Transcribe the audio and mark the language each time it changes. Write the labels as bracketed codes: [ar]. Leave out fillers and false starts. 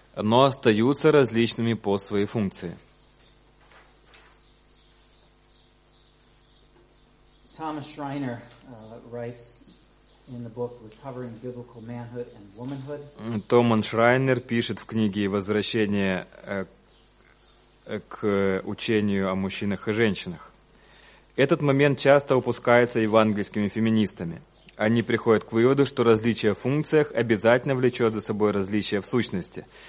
[ru] Но остаются различными по своей функции. [en] Thomas Schreiner writes in the book Recovering Biblical Manhood and Womanhood. [ru] Томас Шрайнер пишет в книге «Возвращение к учению о мужчинах и женщинах». Этот момент часто упускается евангельскими феминистами. Они приходят к выводу, что различие в функциях обязательно влечет за собой различие в сущности.